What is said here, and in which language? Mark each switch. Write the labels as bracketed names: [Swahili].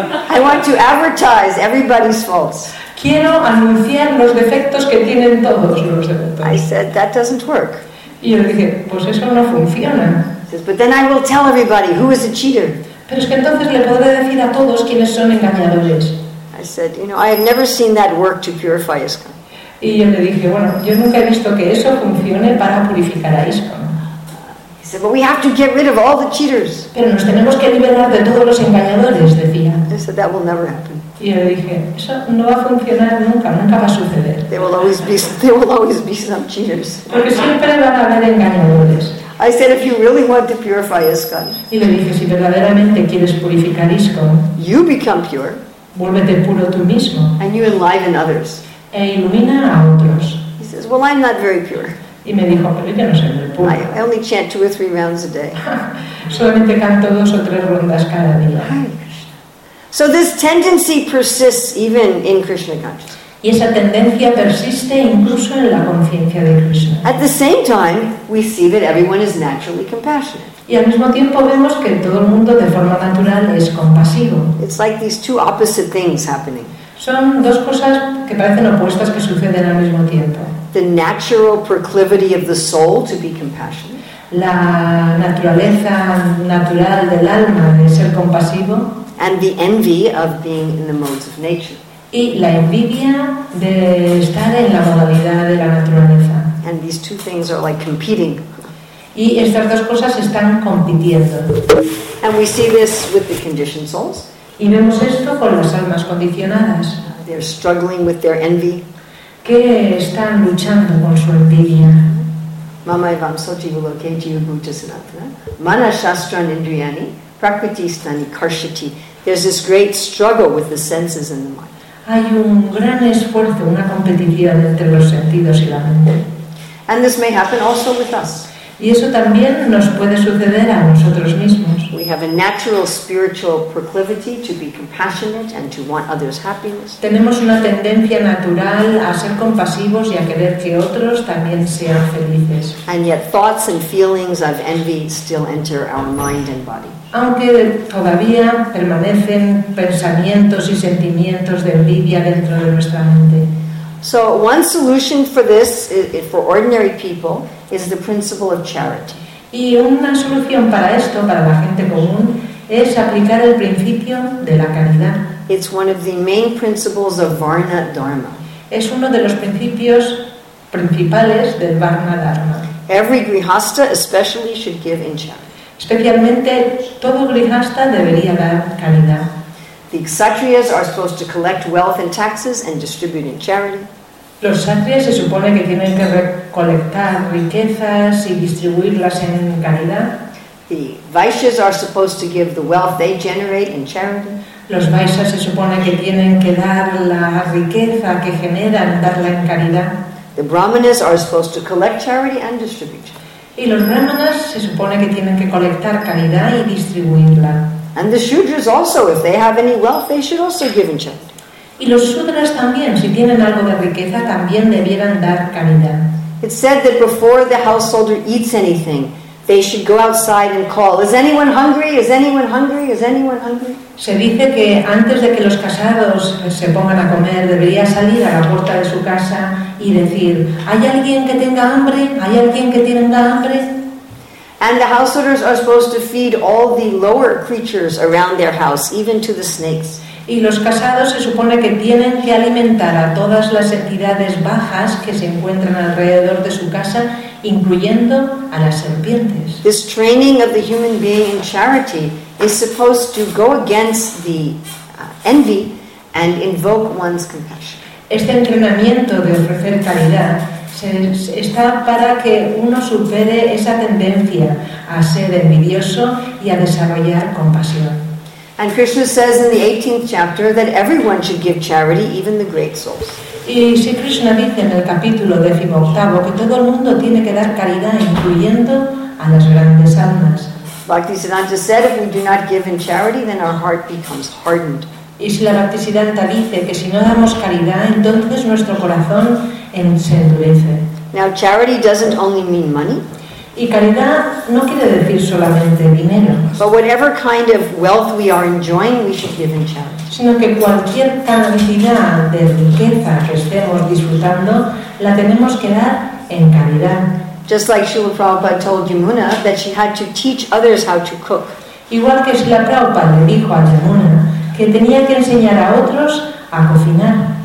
[English] I want to advertise everybody's faults. [Spanish] Quiero anunciar los defectos que tienen todos los devotos. [English] I said, "That doesn't work." [Spanish] Y yo dije, pues eso no funciona. [English] Says, "But then I will tell everybody who is a cheater." [Spanish] Pero es que entonces le podré decir a todos quiénes son engañadores. [English] I said, "You know, I have never seen that work to purify ISKCON." [Spanish] Y yo le dije, bueno, yo nunca he visto que eso funcione para purificar a ISKCON. [English] He said, "But we have to get rid of all the cheaters." [Spanish] Pero nos tenemos que liberar de todos los engañadores, decía. [English] I said, "That will never happen." [Spanish] Y yo dije, eso no va a funcionar nunca, nunca va a suceder. [English] There will always be some cheaters. [Spanish] Porque siempre van a haber engañadores. [English] I said, "If you really want to purify ISKCON." [Spanish] Y le dije, si verdaderamente quieres purificar ISKCON, [English] you become pure. [Spanish] Vuélvete puro tú mismo. [English] And you enliven others. [Spanish] E ilumina a otros. [English] He says, "Well, I'm not very pure." [Spanish] Y me dijo, pero yo no soy muy puro. [English] I only chant two or three rounds a day. [Spanish] Solamente canto dos o tres rondas cada día. [English] So this tendency persists even in Krishna consciousness. [Spanish] Y esa tendencia persiste incluso en la conciencia de Krishna. [English] At the same time, we see that everyone is naturally compassionate. [Spanish] Y al mismo tiempo vemos que todo el mundo de forma natural es compasivo. [English] It's like these two opposite things happening. [Spanish] Son dos cosas que parecen opuestas que suceden al mismo tiempo. [English] The natural proclivity of the soul to be compassionate. [Spanish] La naturaleza natural del alma de ser compasivo. [English] And the envy of being in the modes of nature. [Spanish] y la envidia de estar en la modalidad de la naturaleza. [English] And these two things are like competing. [Spanish] Y estas dos cosas están compitiendo. [English] And we see this with the conditioned souls. [Spanish] Y vemos esto con las almas condicionadas. [English] They're struggling with their envy. [Spanish] Que están luchando con su envidia. [Sanskrit] Mama evam soti vulokeji ubhujasanatana. Mana shastran indriyani prakritistani karshati. [English] There's this great struggle with the senses and the mind. [Spanish] Hay un gran esfuerzo, una competitividad entre los sentidos y la mente. [English] And this may happen also with us. [Spanish] Y eso también nos puede suceder a nosotros mismos. [English] We have a natural spiritual proclivity to be compassionate and to want others' happiness. [Spanish] Tenemos una tendencia natural a ser compasivos y a querer que otros también sean felices. [English] And yet thoughts and feelings of envy still enter our mind and body. [Spanish] Aunque todavía permanecen pensamientos y sentimientos de envidia dentro de nuestra mente. [English] So one solution for this for ordinary people is the principle of charity. [Spanish] Y una solución para esto, para la gente común, es aplicar el principio de la caridad. [English] It's one of the main principles of Varna Dharma. [Spanish] Es uno de los principios principales del Varna Dharma. [English] Every grihasta especially should give in charity. [Spanish] Especialmente todo grihasta debería dar caridad. [English] The kshatriyas are supposed to collect wealth and taxes and distribute in charity. [Spanish] Los kshatriyas se supone que tienen que recolectar riquezas y distribuirlas en caridad. [English] The vaishyas are supposed to give the wealth they generate in charity. [Spanish] Los vaishyas se supone que tienen que dar la riqueza que generan, darla en caridad. [English] The brahmanas are supposed to collect charity and distribute. [Spanish] Y los brahmanas se supone que tienen que colectar caridad y distribuirla. [English] And the shudras also, if they have any wealth, they should also give in charity. [Spanish] Y los shudras también, si tienen algo de riqueza, también debieran dar caridad. [English] It's said that before the householder eats anything, they should go outside and call, "Is anyone hungry? Is anyone hungry? Is anyone hungry?" [Spanish] Se dice que antes de que los casados se pongan a comer, debería salir a la puerta de su casa y decir, "¿Hay alguien que tenga hambre? ¿Hay alguien que tenga hambre?" [English] And the householders are supposed to feed all the lower creatures around their house, even to the snakes. [Spanish] Y los casados se supone que tienen que alimentar a todas las entidades bajas que se encuentran alrededor de su casa, incluyendo a las serpientes. [English] This training of the human being in charity is supposed to go against the envy and invoke one's compassion. [Spanish] Este entrenamiento de ofrecer caridad está para que uno supere esa tendencia a ser envidioso y a desarrollar compasión. [English] And Krishna says in the 18th chapter that everyone should give charity, even the great souls. [Spanish] Y si Krishna dice en el capítulo 18 que todo el mundo tiene que dar caridad, incluyendo a las grandes almas. [English] Bhaktisiddhanta said, if we do not give in charity, then our heart becomes hardened. [Spanish] Y si la Bhaktisiddhanta dice que si no damos caridad, entonces nuestro corazón endurece. [English] Now, charity doesn't only mean money. [Spanish] Y caridad no quiere decir solamente dinero. [English] But whatever kind of wealth we are enjoying, we should give in charity. [Spanish] Sino que cualquier cantidad de riqueza que estemos disfrutando, la tenemos que dar en caridad. [English] Just like Srila Prabhupada told Yamuna that she had to teach others how to cook. [Spanish] Igual que Srila Prabhupada le dijo a Yamuna que tenía que enseñar a otros a cocinar.